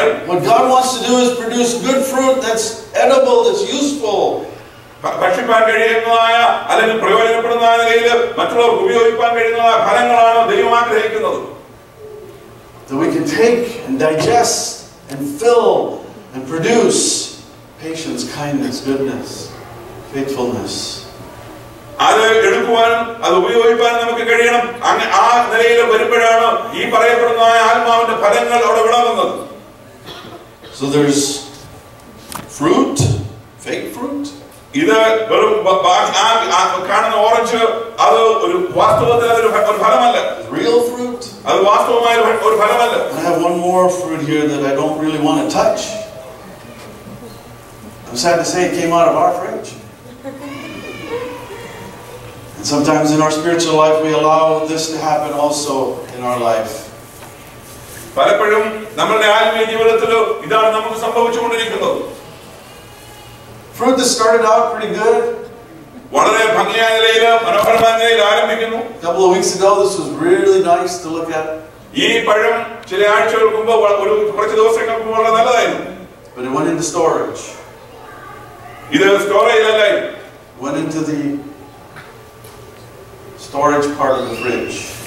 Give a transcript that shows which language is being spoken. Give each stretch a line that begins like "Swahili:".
English: What God wants to do is produce good fruit that's edible, that's useful.
Malayalam: ഭക്ഷിക്കാൻ കഴിയുന്നതായ അല്ലെങ്കിൽ പ്രയോജനപ്പെടുന്ന നിലയിൽ മറ്റുള്ളവർക്ക് ഉപയോഗിക്കാൻ കഴിയുന്നതായ ഫലങ്ങളാണ് ദൈവം ആഗ്രഹിക്കുന്നത്.
English: So we can take and digest and fill and produce patience, kindness, goodness, faithfulness.
Malayalam: അത് എടുക്കുവാനും അത് ഉപയോഗിക്കാനും നമുക്ക് കഴിയണം. അങ്ങനെ ആ നിലയിൽ വരുമ്പോഴാണ് ഈ പറയപ്പെടുന്നതായ ആത്മാവിന്റെ ഫലങ്ങൾ അവിടെ വിളങ്ങുന്നത്.
English: So there's take fruit. Real fruit. I have one more fruit here that I don't really want to touch. I'm sad to say it came out of our fridge. And sometimes in our spiritual life we allow this to happen also in our life.
Malayalam: പലപ്പോഴും നമ്മുടെ ആത്മീയ ജീവിതത്തിൽ ഇതാണ് നമുക്ക് സംഭവിച്ചുകൊണ്ടിരിക്കുന്നത്.
English: Fruit that started out pretty good.
Malayalam: വളരെ ഭംഗിയായ നിലയിൽ മനോഹരമായ നിലയിൽ ആരംഭിക്കുന്നു.
English: A couple of weeks ago this was really nice to look at.
Malayalam: ഈ പഴം ചില ആഴ്ചകൾക്ക് മുമ്പ് ഒരു കുറച്ച് ദിവസങ്ങൾക്ക് മുമ്പ് വളരെ നല്ലതായിരുന്നു.
English: But it went into storage.
Malayalam: ഇത് സ്റ്റോറേജിലല്ലേ?
English: Went into the storage part of the fridge.